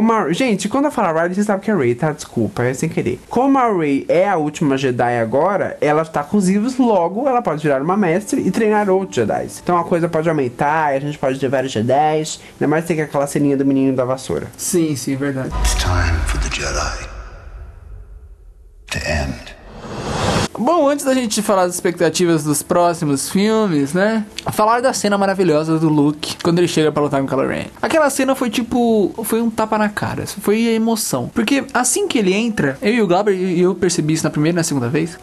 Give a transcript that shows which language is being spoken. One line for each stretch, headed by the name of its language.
Portuguese: Gente, quando eu falo Riley, vocês sabem que é Rey, tá? Desculpa, é sem querer. Como a Rey é a última Jedi agora, ela tá com os livros, logo ela pode virar uma mestre e treinar outros Jedi. Então a coisa pode aumentar, a gente pode ter vários Jedi, ainda mais tem aquela ceninha do menino da vassoura. Sim, sim, é verdade.
English: It's time for the Jedi to end.
Portuguese: Bom, antes da gente falar das expectativas dos próximos filmes, né? Falar da cena maravilhosa do Luke quando ele chega pra lutar com o Kylo Ren. Aquela cena foi tipo... Foi um tapa na cara. Foi a emoção. Porque assim que ele entra... Eu e o Glauber, eu percebi isso na primeira e na segunda vez.